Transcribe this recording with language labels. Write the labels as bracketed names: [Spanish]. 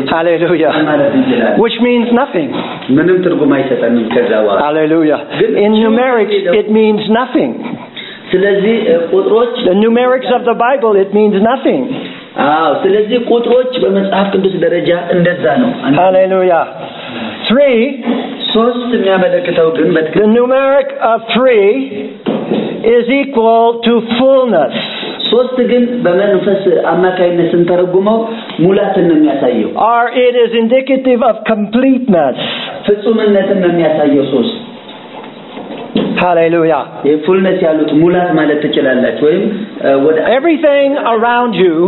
[Amharic] ይችላል። ሃሌሉያ። [English] Which means nothing. [Amharic] ምንም ትርጉም አይሰጠንም ከዛ በኋላ። ሃሌሉያ። [English] In numerics it means nothing. [Amharic] ስለዚህ ቁጥሮች [English] the numerics of the Bible it means nothing. [Amharic] አዎ ስለዚህ ቁጥሮች በመጽሐፍ ቅዱስ ደረጃ እንደዛ ነው። ሃሌሉያ። 3 ሶስት የሚያመለክተው ግን በትክክል [English] the numeric of 3 is equal to fullness. [Amharic] ሶስት ግን በመንፈስ አማካይነት እንተረጉመው ሙላትን ነው የሚያሳየው። [English] Or it is indicative of completeness. [Amharic] ፍጹምነትን ነው የሚያሳየው ሶስት። [English] Hallelujah. [Amharic] የፉልነት ያሉት ሙላት ማለት ትችላላችሁ ወይም ወደ [English] everything around you